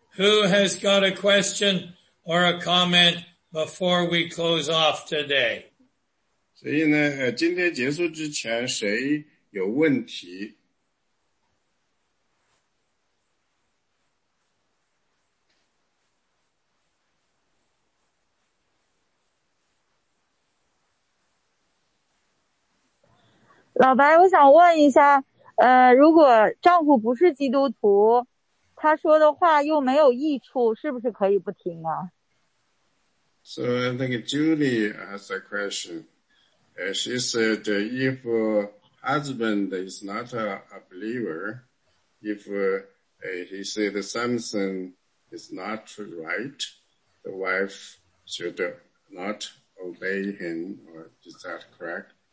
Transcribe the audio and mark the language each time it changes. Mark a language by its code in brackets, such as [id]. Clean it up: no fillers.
[en] Who has got a question or a comment before we close off today? [zh] 所以呢，今天结束之前，谁？有问题。老白，我想问一下，如果丈夫不是基督徒，他说的话又没有益处，是不是可以不听啊？ [en] So, Julie asked a question. She said, if husband is not a believer, if he said something is not right, the wife should not obey him, or is that correct?